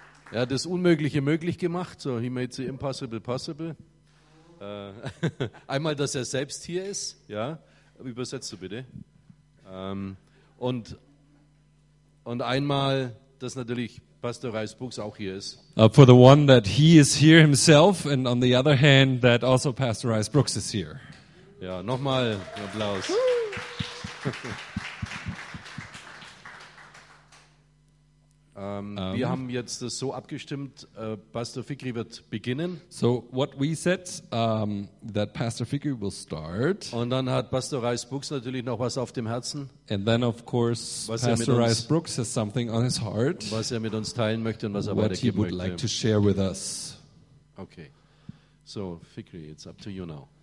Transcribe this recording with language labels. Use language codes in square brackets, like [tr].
[de] Er hat das Unmögliche möglich gemacht, [en] so he made the impossible possible. [de] Einmal, dass er selbst hier ist, ja, übersetzt du bitte. Und einmal, dass natürlich Pastor Reisbuchs auch hier ist. [en] For the one that he is here himself, and on the other hand, that also Pastor Reisbrooks is here. [de] Ja, nochmal Applaus. Wir haben jetzt das so abgestimmt, Pastor Fikri wird beginnen. [en] So what we said, that Pastor Fikri will start. [de] Und dann hat Pastor Reisbrooks natürlich noch was auf dem Herzen. [en] And then of course Pastor Reisbrooks has something on his heart. [de] Was er mit uns teilen möchte und was er weitergeben möchte. [en] What he would like to share with us. Okay. So Fikri, it's up to you now.